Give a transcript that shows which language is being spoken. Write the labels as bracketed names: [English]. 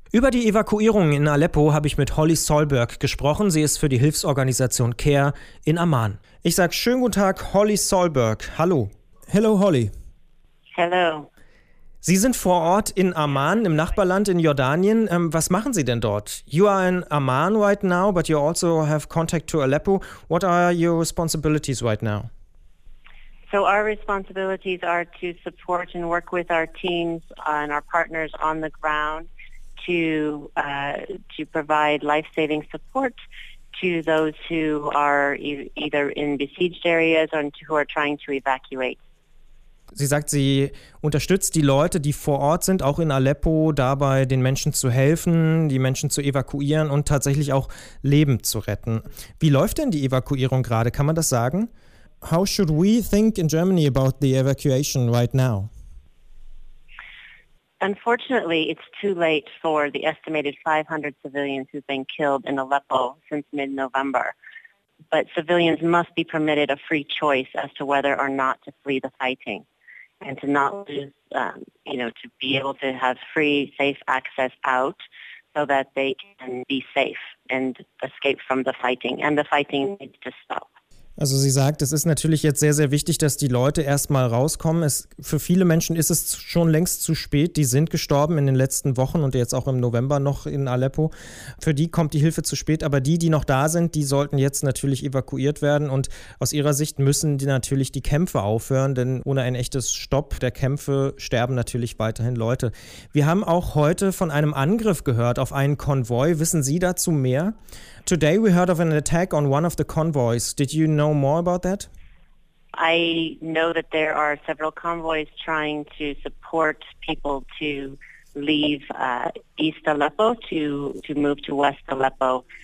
[German] Über die Evakuierungen in Aleppo habe ich mit Holly Solberg gesprochen. Sie ist für die Hilfsorganisation CARE in Amman. Ich sage schönen guten Tag, Holly Solberg. Hallo. [English] Hello, Holly. Hello. [German] Sie sind vor Ort in Amman, im Nachbarland in Jordanien. Was machen Sie denn dort? [English] You are in Amman right now, but you also have contact to Aleppo. What are your responsibilities right now? So our responsibilities are to support and work with our teams and our partners on the ground to provide life-saving support to those who are either in besieged areas or who are trying to evacuate. [German] Sie sagt, sie unterstützt die Leute, die vor Ort sind, auch in Aleppo, dabei den Menschen zu helfen, die Menschen zu evakuieren und tatsächlich auch Leben zu retten. Wie läuft denn die Evakuierung gerade? Kann man das sagen? [English] How should we think in Germany about the evacuation right now? Unfortunately, it's too late for the estimated 500 civilians who've been killed in Aleppo since mid-November. But civilians must be permitted a free choice as to whether or not to flee the fighting and to not lose, to be able to have free, safe access out so that they can be safe and escape from the fighting. And the fighting needs to stop. [German] Also sie sagt, es ist natürlich jetzt sehr, sehr wichtig, dass die Leute erstmal rauskommen. Für viele Menschen ist es schon längst zu spät. Die sind gestorben in den letzten Wochen und jetzt auch im November noch in Aleppo. Für die kommt die Hilfe zu spät. Aber die, die noch da sind, die sollten jetzt natürlich evakuiert werden. Und aus ihrer Sicht müssen die natürlich die Kämpfe aufhören. Denn ohne ein echtes Stopp der Kämpfe sterben natürlich weiterhin Leute. Wir haben auch heute von einem Angriff gehört auf einen Konvoi. Wissen Sie dazu mehr? [English] Today we heard of an attack on one of the convoys. Did you know more about that? I know that there are several convoys trying to support people to leave East Aleppo to move to West Aleppo.